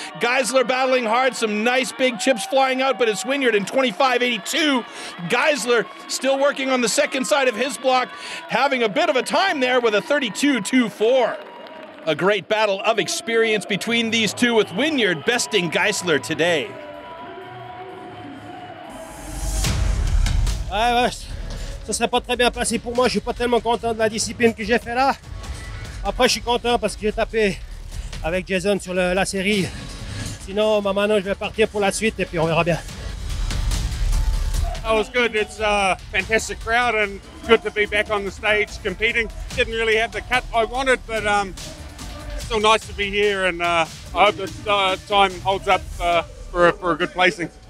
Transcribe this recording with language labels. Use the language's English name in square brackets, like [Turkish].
[English] Geisler battling hard, some nice big chips flying out, but it's Wynyard in 25-82. Geisler still working on the second side of his block, having a bit of a time there with a 32-24. A great battle of experience between these two, with Wynyard besting Geisler today. [French] Ouais, ouais, ça s'est pas très bien passé pour moi. Je suis pas tellement content de la discipline que j'ai fait là. Après, je suis content parce que j'ai tapé avec Jason sur la série. Sinon, maintenant, je vais partir pour la suite et puis on verra bien. [English] That was good. It's a fantastic crowd and good to be back on the stage competing. Didn't really have the cut I wanted, but still nice to be here and I hope the time holds up for a good placing.